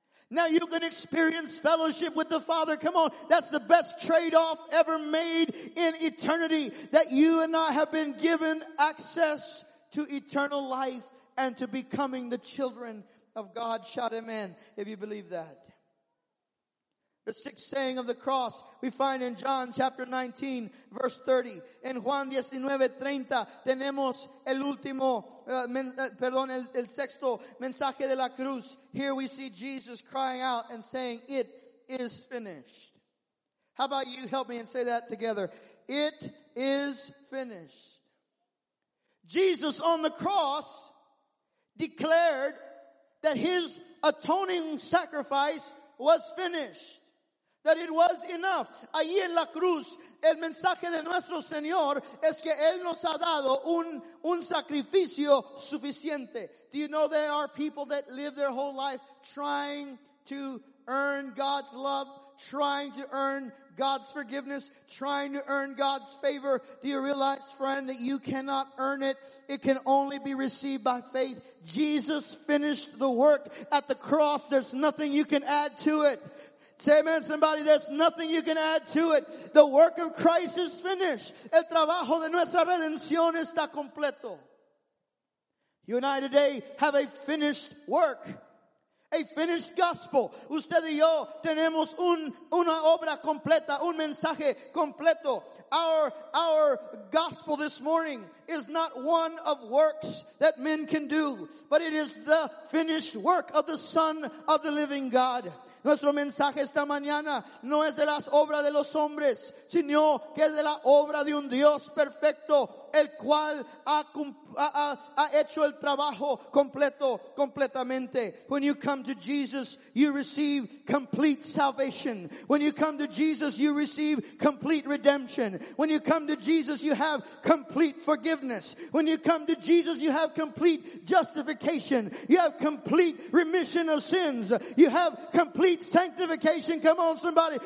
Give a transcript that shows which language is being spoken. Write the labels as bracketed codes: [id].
[en] Now you can experience fellowship with the Father. Come on, that's the best trade-off ever made in eternity. That you and I have been given access to eternal life. And to becoming the children of God. Shout amen if you believe that. The sixth saying of the cross we find in John chapter 19, verse 30. [es] En Juan 19:30 tenemos el último, el sexto mensaje de la cruz. [en] Here we see Jesus crying out and saying, it is finished. How about you help me and say that together? It is finished. Jesus on the cross declared that his atoning sacrifice was finished. That it was enough. [es] Allí en la cruz, el mensaje de nuestro Señor es que Él nos ha dado un sacrificio suficiente. [en] Do you know there are people that live their whole life trying to earn God's love, trying to earn God's forgiveness, trying to earn God's favor? Do you realize, friend, that you cannot earn it? It can only be received by faith. Jesus finished the work at the cross. There's nothing you can add to it. Say amen, somebody. There's nothing you can add to it. The work of Christ is finished. [es] El trabajo de nuestra redención está completo. [en] You and I today have a finished work. A finished gospel. [es] Usted y yo tenemos una obra completa, un mensaje completo. [en] Our gospel this morning is not one of works that men can do, but it is the finished work of the Son of the Living God. [es] Nuestro mensaje esta mañana no es de las obras de los hombres, sino que es de la obra de un Dios perfecto, el cual ha hecho el trabajo completo, completamente. [en] When you come to Jesus, you receive complete salvation. When you come to Jesus, you receive complete redemption. When you come to Jesus, you have complete forgiveness. When you come to Jesus, you have complete justification. You have complete remission of sins. You have complete sanctification. Come on, somebody.